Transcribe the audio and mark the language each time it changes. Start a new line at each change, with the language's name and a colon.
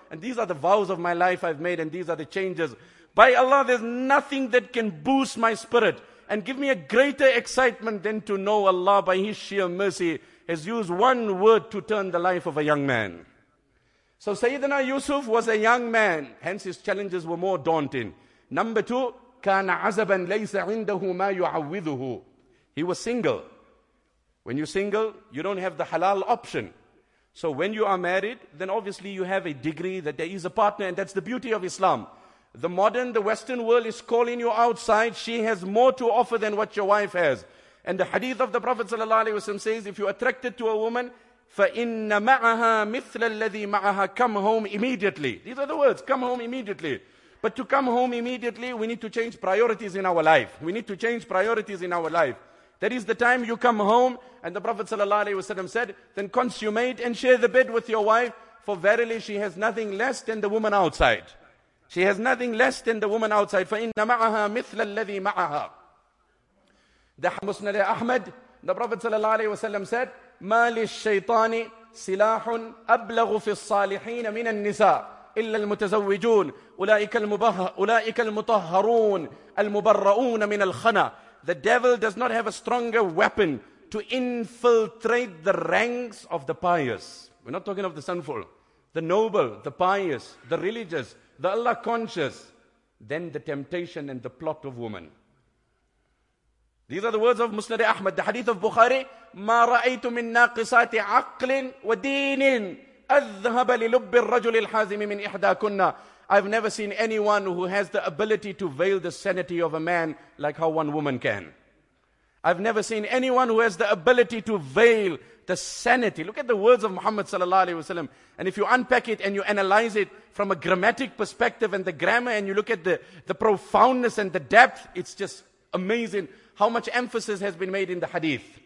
English: And these are the vows of my life I've made and these are the changes. By Allah, there's nothing that can boost my spirit and give me a greater excitement than to know Allah, by His sheer mercy, has used one word to turn the life of a young man. So Sayyidina Yusuf was a young man, hence his challenges were more daunting. Number two,
Arabic: كَانَ عَزَبًا لَيْسَ عِنْدَهُ مَا يُعَوِّذُهُ.
English: He was single. When you're single, you don't have the halal option. So when you are married, then obviously you have a degree that there is a partner, and that's the beauty of Islam. The Western world is calling you outside. She has more to offer than what your wife has. And the hadith of the Prophet ﷺ says, if you're attracted to a woman,
Arabic: فَإِنَّ مَعَهَا مِثْلَ الَّذِي مَعَهَا,
English: come home immediately. These are the words, come home immediately. But to come home immediately, we need to change priorities in our life. We need to change priorities in our life. That is the time you come home, and the Prophet ﷺ said, then consummate and share the bed with your wife, for verily she has nothing less than the woman outside. She has nothing less than the woman outside.
Arabic: فَإِنَّ مَعَهَا مِثْلَ الَّذِي مَعَهَا.
English: The Musnad Ahmad, the Prophet ﷺ said,
Arabic: مَا لِلشَّيْطَانِ سِلَاحٌ أَبْلَغُ فِي الصَّالِحِينَ مِنَ النِّسَاءِ إِلَّا الْمُتَزَوِّجُونَ أُولَٰئِكَ الْمُطَهَّرُونَ الْمُبَرَّؤُونَ مِنَ الْخَنَى.
English: The devil does not have a stronger weapon to infiltrate the ranks of the pious. We're not talking of the sinful. the noble, the pious, the religious, the Allah conscious, then the temptation and the plot of woman. These are the words of Musnad Ahmad, the hadith of Bukhari,
Arabic: مَا رَأَيْتُ مِن نَاقِسَاتِ عَقْلٍ وَدِينٍ أَذْهَبَ لِلُبِّ الرَّجُلِ الْحَازِمِ مِنْ إِحْدَاكُنَّ.
English: I've never seen anyone who has the ability to veil the sanity of a man like how one woman can. I've never seen anyone who has the ability to veil the sanity. Look at the words of Muhammad sallallahu alaihi wasallam. And if you unpack it and you analyze it from a grammatic perspective and the grammar, and you look at the profoundness and the depth, it's just amazing how much emphasis has been made in the hadith.